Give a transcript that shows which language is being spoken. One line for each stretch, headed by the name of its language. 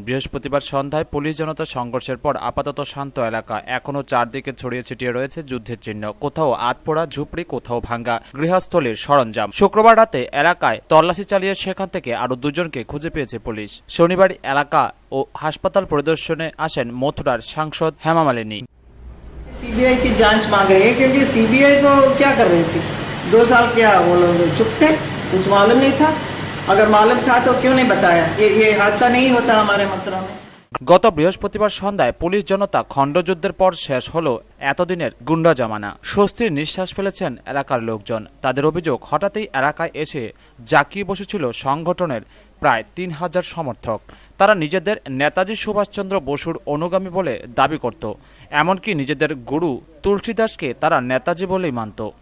Bangla: বৃহস্পতিবার সন্ধ্যায় পুলিশ জনতা সংঘর্ষের পর আপাতত শান্ত এলাকা, এখনও চারদিকে ছড়িয়ে ছিটিয়ে রয়েছে যুদ্ধের চিহ্ন, কোথাও আটপোড়া ঝুপড়ি, কোথাও ভাঙ্গা গৃহস্থলীর সরঞ্জাম। শুক্রবার রাতে এলাকায় তল্লাশি চালিয়ে সেখান থেকে আরো দুজনকে খুঁজে পেয়েছে পুলিশ। শনিবার এলাকা ও হাসপাতাল পরিদর্শনে আসেন মথুরার সাংসদ হেমা মালিনী।
Hindi: सीबीआई की जांच मांग रहे हैं, क्योंकि सीबीआई तो क्या कर रही थी, दो साल क्या वो लोग चुप थे, कुछ मालूम नहीं था, अगर मालूम था तो क्यों नहीं बताया, ये हादसा नहीं होता हमारे मथुरा में।
Bangla: গত বৃহস্পতিবার সন্ধ্যায় পুলিশ জনতা খণ্ডযুদ্ধের পর শেষ হলো এতদিনের গুন্ডা জামানা। স্বস্তির নিঃশ্বাস ফেলেছেন এলাকার লোকজন। তাদের অভিযোগ, হঠাৎই এলাকায় এসে জাকিয়ে বসেছিল সংগঠনের প্রায় 3,000 সমর্থক। তারা নিজেদের নেতাজি সুভাষচন্দ্র বসুর অনুগামী বলে দাবি করত, এমনকি নিজেদের গুরু তুলসীদাসকে তারা নেতাজি বলেই মানত।